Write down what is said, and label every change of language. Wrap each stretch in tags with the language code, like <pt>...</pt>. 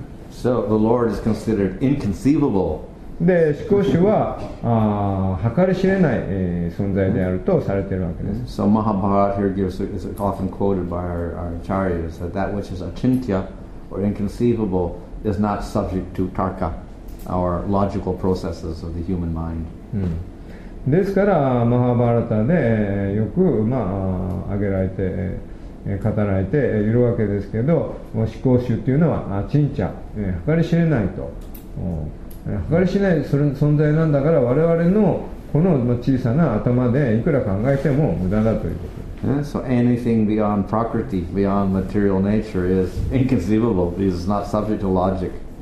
<en>So the Lord is considered inconceivable.</en> <ja>で、思考集は計り知れない存在であるとされているわけです。</ja> <en>So Mahabharata here gives is often quoted by our acharyas that that which is achintya or inconceivable is not subject to tarka, our logical processes of the human mind.</en> <ja>ですから、マハバラタでよく、まあ、挙げられて語られているわけですけど、思考集というのはちんちゃ、計り知れないと、計り知れない存在なんだから、我々のこの小さな頭でいくら考えても無駄だということ。</ja> <en>So anything beyond prakriti, beyond material nature is inconceivable. This is not subject to logic.</en>